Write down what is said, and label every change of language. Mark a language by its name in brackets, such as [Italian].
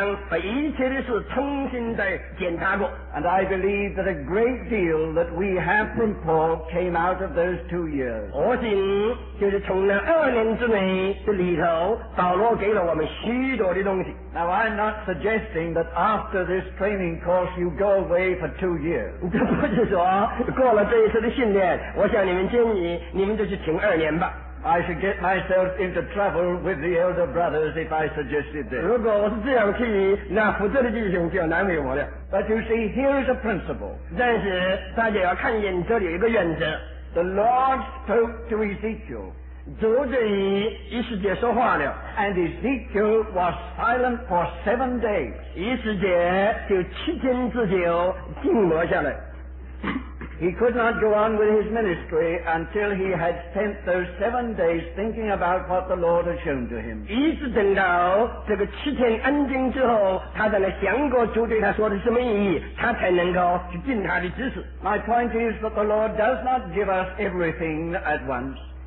[Chinese] 他要凭着那个意象的亮光把一切的事重新再检查过。 [English] And I believe that a great deal that we have from Paul came out of those 2 years. [Chinese] 我信就是从那2年之内的里头保罗给了我们许多的东西。 [English] Now I'm not suggesting that after this training course you go away for 2 years. [Chinese] 这不是说过了这一次的训练我向你们建议你们就去停2年吧。 [English] I should get myself into trouble with the elder brothers if I suggested this. [Chinese] 如果我是这样去,那负责的弟兄就要难为我了。 [English] But you see, here is a principle. [Chinese] 但是大家要看见这里有一个原则。 [English] The Lord spoke to Ezekiel. [Chinese] 主对以斯帖说话了。 [English] And Ezekiel was silent for 7 days. [Chinese] 以斯帖就7天之久静默下来。 [English] He could not go on with his ministry until he had spent those 7 days thinking about what the Lord had shown to him. [Chinese] 一直等到这个7天安静之后,他才能想过主对他说的什么意义,他才能够去尽他的职事。 [English] My point is that the Lord does not give us everything at once.